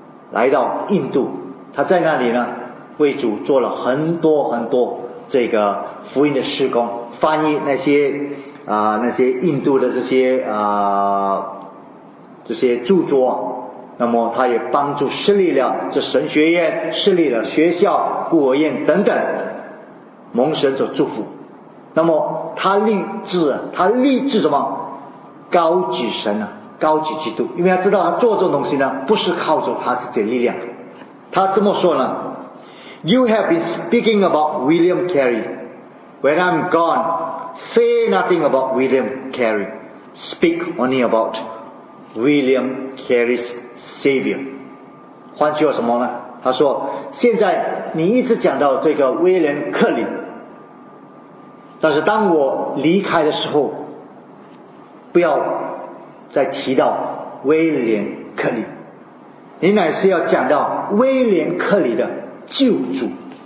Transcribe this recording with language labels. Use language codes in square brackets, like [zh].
[zh] 来到印度，他在那里呢为主做了很多很多这个福音的事工，翻译那些那些印度的这些著作，那么他也帮助设立了这神学院，设立了学校、孤儿院等等，蒙神所祝福。那么他立志什么？高举神啊，高举基督，因为他知道他做这种东西呢，不是靠着他自己的力量。他这么说呢 [en] ：“You have been speaking about William Carey. When I'm gone, say nothing about William Carey. Speak only about William Carey's Savior.” [zh] 换句话什么呢？他说：“现在你一直讲到这个威廉·克林，但是当我离开的时候，不要再提到威廉·克里，你乃是要讲到威廉·克里的救主。”